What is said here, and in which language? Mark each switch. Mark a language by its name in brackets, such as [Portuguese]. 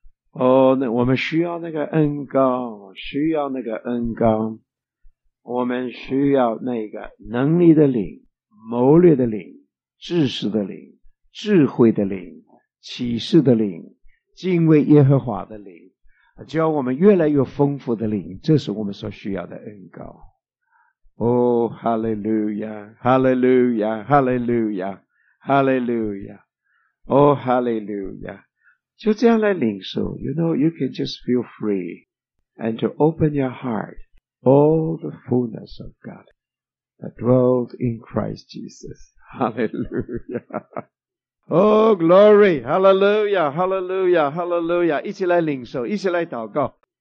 [Chinese] 哦，那我们需要那个恩膏，需要那个恩膏，我们需要那个能力的灵，谋略的灵，知识的灵，智慧的灵，启示的灵，敬畏耶和华的灵，教我们越来越丰富的灵，这是我们所需要的恩膏。哦，哈利路亚，哈利路亚，哈利路亚，哈利路亚，哦，哈利路亚，就这样来领受。 [English] You know, you can just feel free and to open your heart all the fullness of God that dwells in Christ Jesus. Hallelujah. Oh, glory. Hallelujah. Hallelujah. Hallelujah. [Chinese] 一起来领受，一起来祷告。